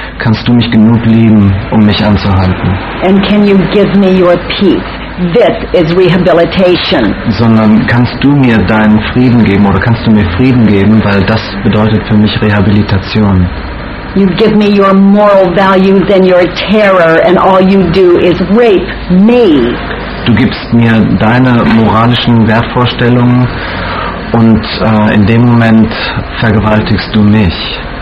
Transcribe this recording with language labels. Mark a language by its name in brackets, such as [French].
[German] Kannst du mich genug lieben, um mich anzuhalten? [English] And can you give me your peace? This is rehabilitation. [German] Sondern kannst du mir deinen Frieden geben oder kannst du mir Frieden geben, weil das bedeutet für mich Rehabilitation. [English] You give me your moral values and your terror and all you do is rape me. [German] Du gibst mir deine moralischen Wertvorstellungen und in dem Moment vergewaltigst du mich.